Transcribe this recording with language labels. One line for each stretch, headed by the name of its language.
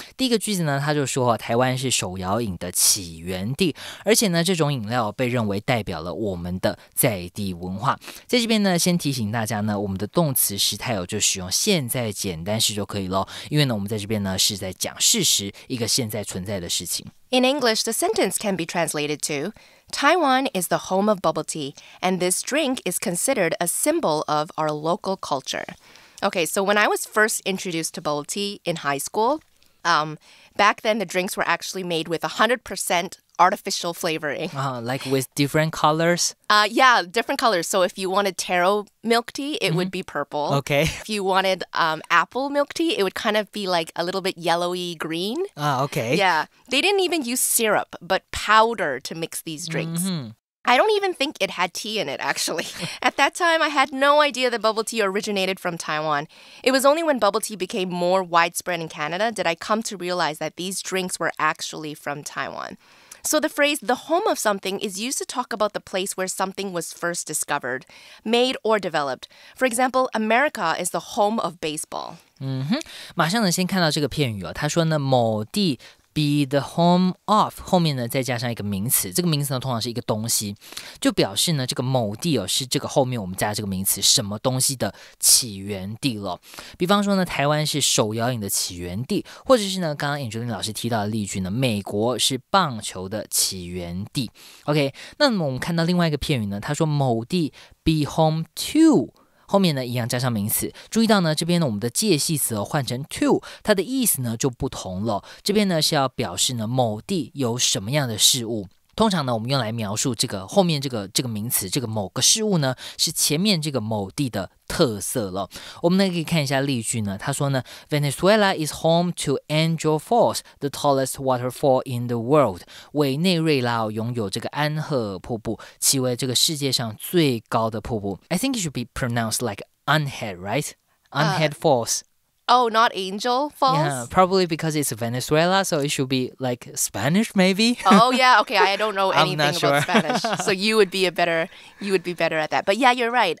Chinese: 第一个句子呢，他就说台湾是手摇饮的起源地，而且呢这种饮料被认为代表了我们的在地文化。在这边呢，先提醒大家呢，我们的动词时态就使用现在简单式就可以了，因为呢我们在这边呢是在讲事实，一个现在存在的事情。
English: In English, the sentence can be translated to, Taiwan is the home of bubble tea, and this drink is considered a symbol of our local culture. Okay, so when I was first introduced to bubble tea in high school, back then the drinks were actually made with 100% artificial flavoring. Like with different colors? Yeah, different colors. So if you wanted taro milk tea, it mm-hmm. would be purple. Okay. If you wanted apple milk tea, it would kind of be like a little bit yellowy green. Okay. Yeah. They didn't even use syrup, but powder to mix these drinks. Mm-hmm. I don't even think it had tea in it, actually. At that time, I had no idea that bubble tea originated from Taiwan. It was only when bubble tea became more widespread in Canada did I come to realize that these drinks were actually from Taiwan. So the phrase, the home of something, is used to talk about the place where something was first discovered, made, or developed. For example, America is the home of baseball.
Chinese: 嗯哼，马上呢，先看到这个片语哦，他说呢，某地
English: be the home of,
Chinese: 后面呢，再加上一个名词，这个名词呢，通常是一个东西，就表示呢，这个某地哦，是这个后面我们加这个名词，什么东西的起源地了。比方说呢，台湾是手摇饮的起源地，或者是呢，刚刚 Angeline 老师提到的例句呢，美国是棒球的起源地。 OK, 那么我们看到另外一个片语呢，他说某地
English: be home to,
Chinese: 后面呢一样加上名词，注意到呢这边呢我们的介系词、换成 to, 它的意思呢就不同了。这边呢是要表示呢某地有什么样的事物，通常呢我们用来描述这个后面这个名词，这个某个事物呢是前面这个某地的特色了。我们呢可以看一下例句呢，他说呢
English: Venezuela is home to Angel Falls, the tallest waterfall in the world.
Chinese: 委内瑞拉拥有这个安赫尔瀑布，其为这个世界上最高的瀑布。
English: I think it should be pronounced like Unhead, right? Unhead Falls. Oh, not Angel Falls? Yeah, probably because it's Venezuela, so it should be like Spanish, maybe? Oh, yeah, okay, I don't know anything about sure. Spanish. So you would be better at that. But yeah, you're right.